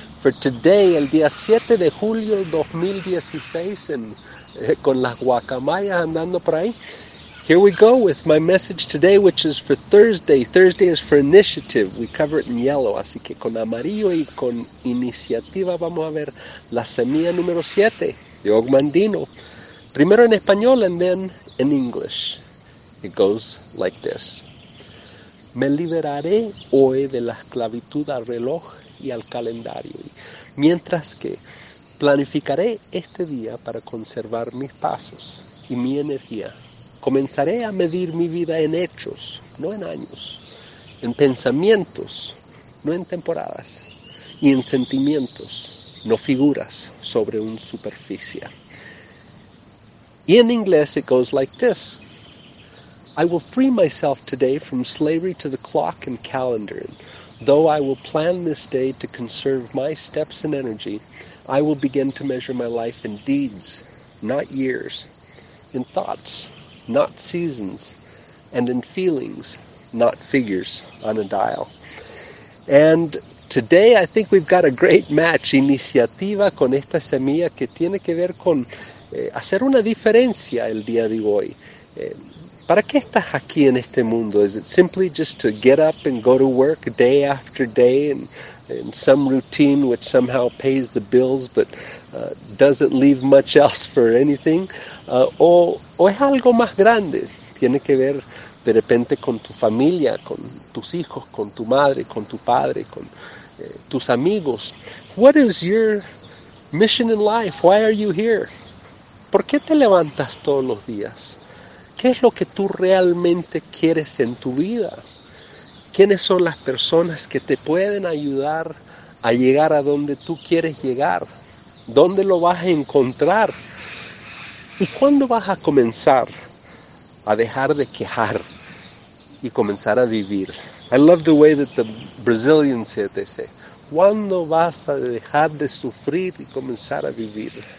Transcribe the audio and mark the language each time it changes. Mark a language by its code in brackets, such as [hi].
[en] For today, [es] el día 7 de julio 2016, con las guacamayas andando por ahí. [en] Here we go with my message today, which is for Thursday. Thursday is for initiative. We cover it in yellow. [es] Así que con amarillo y con iniciativa vamos a ver la semilla número 7, de Ogmandino. Primero en español [en] and then in English. It goes like this. [es] Me liberaré hoy de la esclavitud al reloj y al calendario, mientras que planificaré este día para conservar mis pasos y mi energía. Comenzaré a medir mi vida en hechos, no en años, en pensamientos, no en temporadas, y en sentimientos, no figuras sobre una superficie. Y en inglés, [en] it goes like this. I will free myself today from slavery to the clock and calendar. Though I will plan this day to conserve my steps and energy, I will begin to measure my life in deeds, not years, in thoughts, not seasons, and in feelings, not figures on a dial. And today I think we've got a great match, [es] iniciativa con esta semilla que tiene que ver con hacer una diferencia el día de hoy. ¿Para qué estás aquí en este mundo? [en] Is it simply just to get up and go to work day after day and in some routine which somehow pays the bills but doesn't leave much else for anything? [es] ¿O es algo más grande? Tiene que ver de repente con tu familia, con tus hijos, con tu madre, con tu padre, con tus amigos. [en] What is your mission in life? Why are you here? [es] ¿Por qué te levantas todos los días? ¿Qué es lo que tú realmente quieres en tu vida? ¿Quiénes son las personas que te pueden ayudar a llegar a donde tú quieres llegar? ¿Dónde lo vas a encontrar? ¿Y cuándo vas a comenzar a dejar de quejar y comenzar a vivir? [en] I love the way that the Brazilian said this. [es] ¿Cuándo vas a dejar de sufrir y comenzar a vivir?